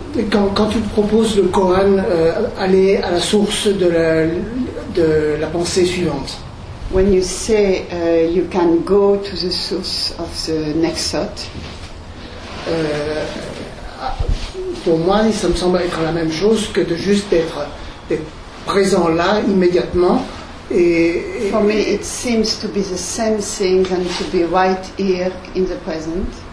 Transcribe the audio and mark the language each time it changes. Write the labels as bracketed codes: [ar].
[fr] Quand tu proposes le Koran, aller à la source de la pensée suivante. [en] When you say you can go to the source of the next thought. [fr] Pour moi, ça me semble être la même chose que de juste être présent là immédiatement. [en] For me, it seems to be the same thing than to be right here in the present.